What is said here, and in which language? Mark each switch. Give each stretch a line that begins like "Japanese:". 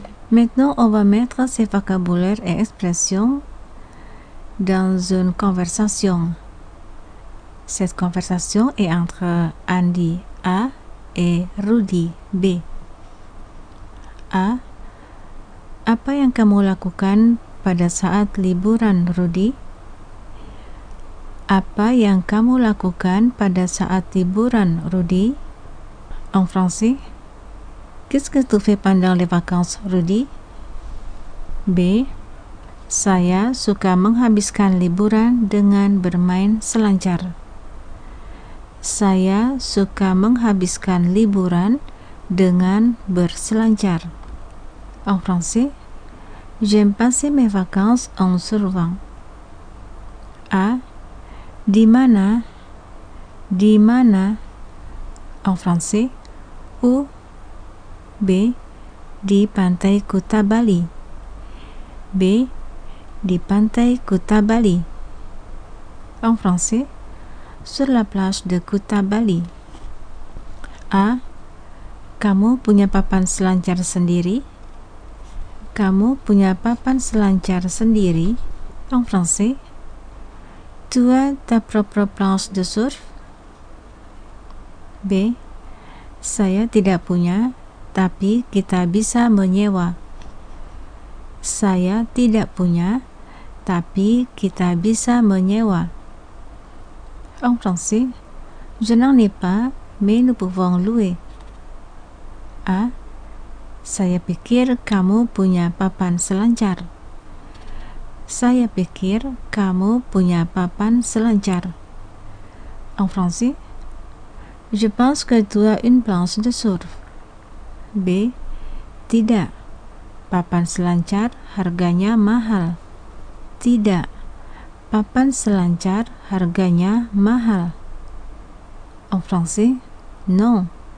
French: Maintenant, on va mettre ces vocabulaires et expressions dans une conversation. Cette conversation est entre Andy A et Rudy B. A.
Indonesian: Apa yang kamu lakukan pada saat liburan, Rudy? Apa yang kamu lakukan pada saat liburan, Rudy?
French: En français. Qu'est-ce que tu fais pendant les vacances, Rudy?
Indonesian: B. Saya suka menghabiskan liburan dengan bermain selancar. Saya suka menghabiskan liburan dengan berselancar.
French: En français. J'aime passer mes vacances en surfant.
Indonesian: A. Di mana? Di mana?
French: En français. Où?
Indonesian: B. Di pantai Kuta Bali. B. Di pantai Kuta Bali.
French: En français. Sur la plage de Kuta Bali. A.
Indonesian: Kamu punya papan selancar sendiri? Kamu punya papan selancar sendiri?
French: En français. Tu as ta propre planche de surf? B.
Indonesian: Saya tidak punya, tapi kita bisa menyewa. Saya tidak punya, tapi kita bisa menyewa.
French: En français. Je n'en ai pas, mais nous pouvons louer. A.
Indonesian: Saya pikir kamu punya papan selancar. Saya pikir kamu punya papan selancar.
French: En français. Je pense que tu as une planche de surf.
Indonesian: B. Tidak. Papan selancar harganya mahal. Tidak. Papan selancar harganya mahal.
French: En français. Non.